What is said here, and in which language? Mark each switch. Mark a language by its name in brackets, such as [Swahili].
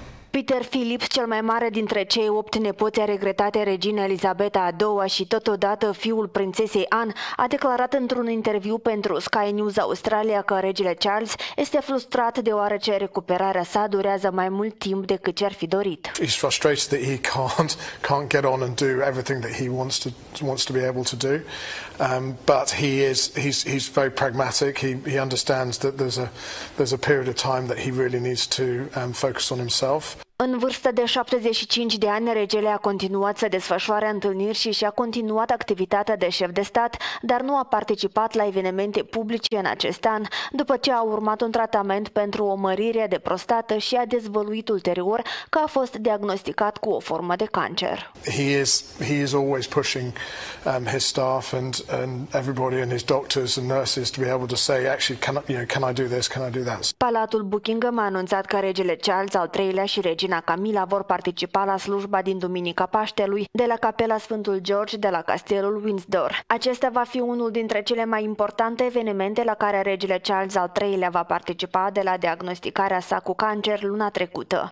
[Romanian] Peter Phillips, cel mai mare dintre cei 8 nepoți regretate regina Elizabeta a II-a și totodată fiul prințesei Anne, a declarat într-un interviu pentru Sky News Australia că regele Charles este frustrat deoarece recuperarea sa durează mai mult timp decât ce ar fi dorit. [English] He's frustrated that he can't get on and do everything that he wants to be able to do. But he's very pragmatic. He understands that there's a period of time that he really needs to focus on himself. [Romanian] În vârstă de 75 de ani, regele a continuat să desfășoare întâlniri și și-a continuat activitatea de șef de stat, dar nu a participat la evenimente publice în acest an, după ce a urmat un tratament pentru o mărire de prostată și a dezvăluit ulterior că a fost diagnosticat cu o formă de cancer. [English] He is always pushing his staff and everybody and his doctors and nurses to be able to say actually can I do this, can I do that. [Romanian] Palatul Buckingham a anunțat că regele Charles al III-lea și regina Camila vor participa la slujba din Duminica Paștelui de la Capela Sfântul George de la Castelul Windsor. Acesta va fi unul dintre cele mai importante evenimente la care regele Charles al III-lea va participa de la diagnosticarea sa cu cancer luna trecută.